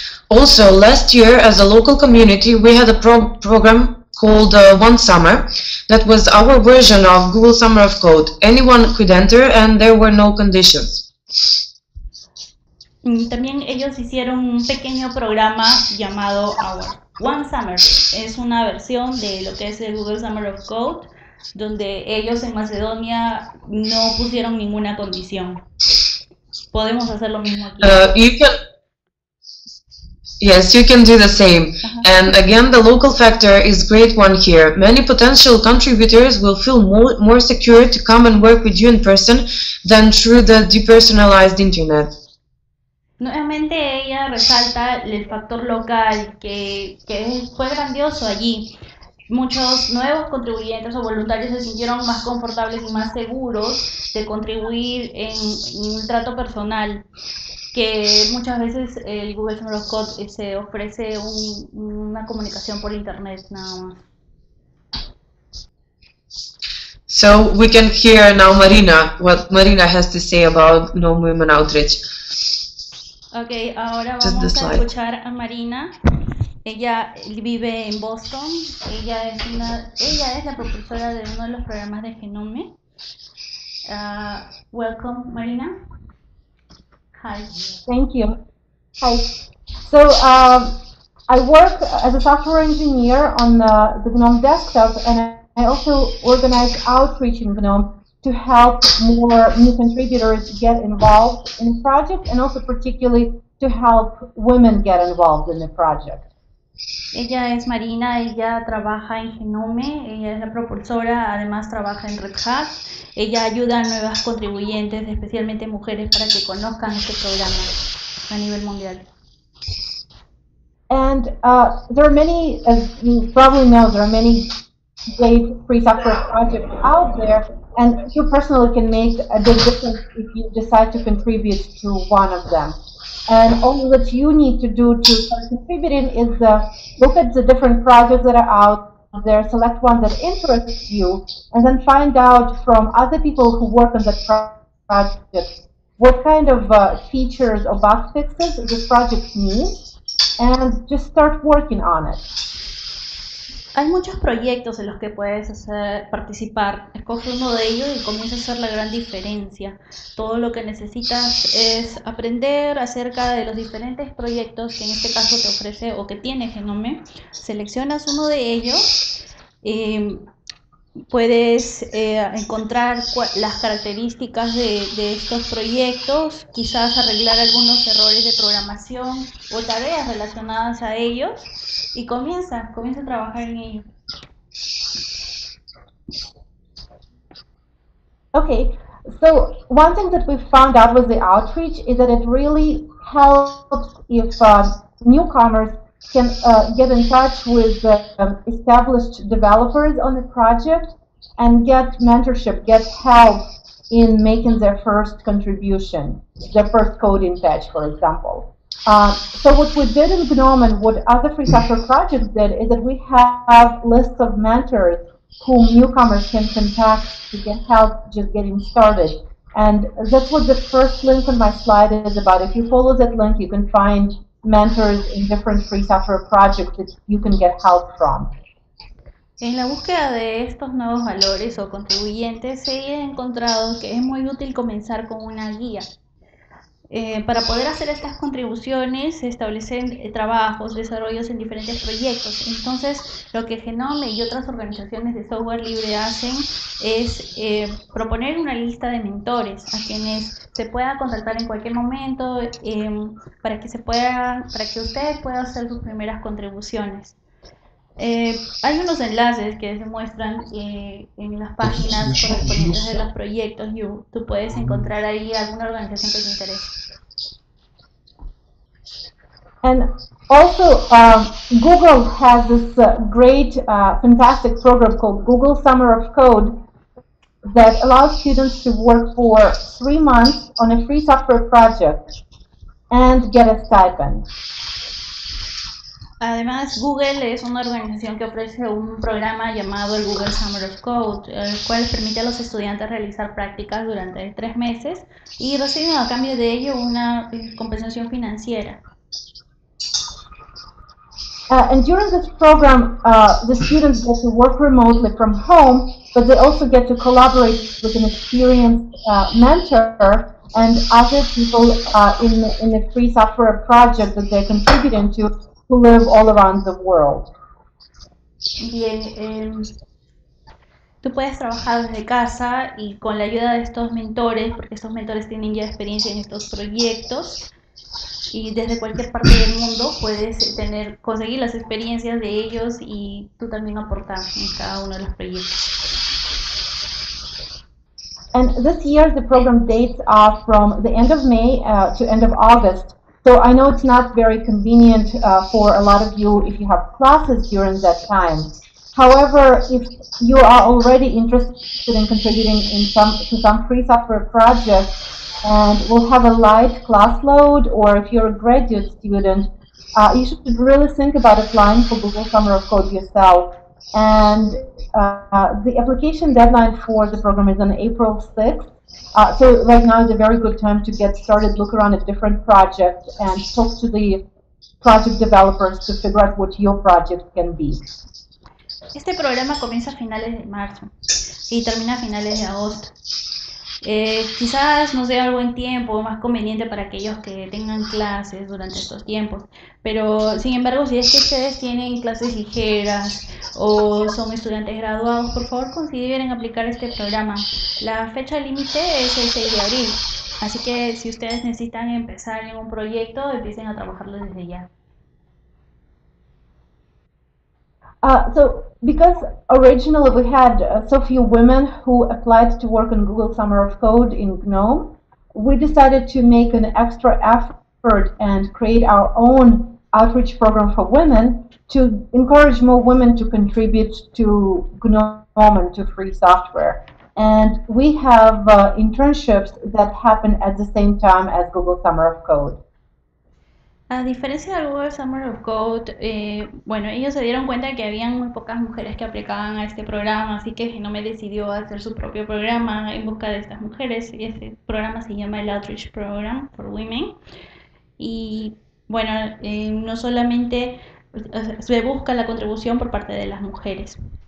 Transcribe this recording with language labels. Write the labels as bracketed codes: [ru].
[en] Also, last year, as a local community, we had a program called One Summer. That was our version of Google Summer of Code. Anyone could enter and there were no conditions. [es] También ellos hicieron un pequeño programa llamado Our One Summer. Es una versión de lo que es el Google Summer of Code, donde ellos en Macedonia no pusieron ninguna condición. Podemos hacer lo mismo aquí. [en] Yes, you can do the same. And again, the local factor is great one here. Many potential contributors will feel more secure to come and work with you in person than through the depersonalized internet. [es] Nuevamente ella resalta el factor local que fue grandioso allí. Muchos nuevos contribuyentes o voluntarios se sintieron más confortables y más seguros de contribuir en un trato personal. Que muchas veces el Google Summer of Code se ofrece una comunicación por internet nada más. [en] So we can hear now Marina, what Marina has to say about No Women Outreach. [es] Okay, ahora vamos a escuchar a Marina. Ella vive en Boston. Ella es la propulsora de uno de los programas de Genome. [en] Welcome, Marina. Hi. Thank you. Hi. So I work as a software engineer on the Gnome desktop, and I also organize outreach in Gnome to help more new contributors get involved in the project, and also particularly to help women get involved in the project. [es] Ella es Marina, ella trabaja en Genome, ella es la propulsora, además trabaja en Red Hat. Ella ayuda a nuevas contribuyentes, especialmente mujeres, para que conozcan este programa a nivel mundial. [en] And there are many, as you probably know, there are many great free software projects out there, and you personally can make a big difference if you decide to contribute to one of them. And all that you need to do to start contributing is look at the different projects that are out there, select one that interests you, and then find out from other people who work on that project what kind of features or bug fixes this project needs, and just start working on it. [es] Hay muchos proyectos en los que puedes hacer, participar. Escoge uno de ellos y comienza a hacer la gran diferencia. Todo lo que necesitas es aprender acerca de los diferentes proyectos que en este caso te ofrece o que tiene Genome. Seleccionas uno de ellos. Puedes encontrar las características de estos proyectos, quizás arreglar algunos errores de programación o tareas relacionadas a ellos, y comienza a trabajar en ello. [en] Okay, so one thing that we found out with the outreach is that it really helps if newcomers can get in touch with established developers on the project and get mentorship, get help in making their first contribution, their first coding patch, for example. So what we did in GNOME and what other free software projects did is that we have lists of mentors whom newcomers can contact to get help just getting started. And that's what the first link on my slide is about. If you follow that link, you can find mentors in different free software projects that you can get help from. [es] En la búsqueda de estos nuevos valores o contribuyentes, he encontrado que es muy útil comenzar con una guía. Para poder hacer estas contribuciones, se establecen trabajos, desarrollos en diferentes proyectos. Entonces, lo que Genome y otras organizaciones de software libre hacen es proponer una lista de mentores a quienes se pueda contactar en cualquier momento para que ustedes puedan hacer sus primeras contribuciones. Hay unos enlaces que se muestran en las páginas correspondientes de los proyectos. Tú puedes encontrar ahí alguna organización que te interese. [en] And also, Google has this great, fantastic program called Google Summer of Code that allows students to work for 3 months on a free software project and get a stipend. [es] Además, Google es una organización que ofrece un programa llamado el Google Summer of Code, el cual permite a los estudiantes realizar prácticas durante 3 meses y reciben a cambio de ello una compensación financiera. [en] And during this program, the students get to work remotely from home, but they also get to collaborate with an experienced mentor and other people in the free software project that they're contributing to, who live all around the world. [es] Bien, tú puedes trabajar desde casa y con la ayuda de estos mentores, porque estos mentores tienen ya experiencia en estos proyectos, y desde cualquier parte del mundo puedes conseguir las experiencias de ellos y tú también aportar en cada uno de los proyectos. [en] And this year the program dates are from the end of May to end of August. So I know it's not very convenient for a lot of you if you have classes during that time. However, if you are already interested in contributing to some free software project and will have a light class load, or if you're a graduate student, you should really think about applying for Google Summer of Code yourself. And the application deadline for the program is on April 6th. So right now is a very good time to get started, look around at different projects, and talk to the project developers to figure out what your project can be. [es] Este programa comienza a finales de marzo y termina a finales de agosto. Quizás nos dé algo en tiempo, más conveniente para aquellos que tengan clases durante estos tiempos. Pero, sin embargo, si es que ustedes tienen clases ligeras o son estudiantes graduados, por favor consideren aplicar este programa. La fecha límite es el 6 de abril, así que si ustedes necesitan empezar en un proyecto, empiecen a trabajarlo desde ya. [en] So, because originally we had so few women who applied to work on Google Summer of Code in GNOME, we decided to make an extra effort and create our own outreach program for women to encourage more women to contribute to GNOME and to free software. And we have internships that happen at the same time as Google Summer of Code. [es] A diferencia de Google Summer of Code, bueno, ellos se dieron cuenta que habían muy pocas mujeres que aplicaban a este programa, así que Genome decidió hacer su propio programa en busca de estas mujeres, y este programa se llama el Outreach Program for Women. Y bueno, no solamente se busca la contribución por parte de las mujeres.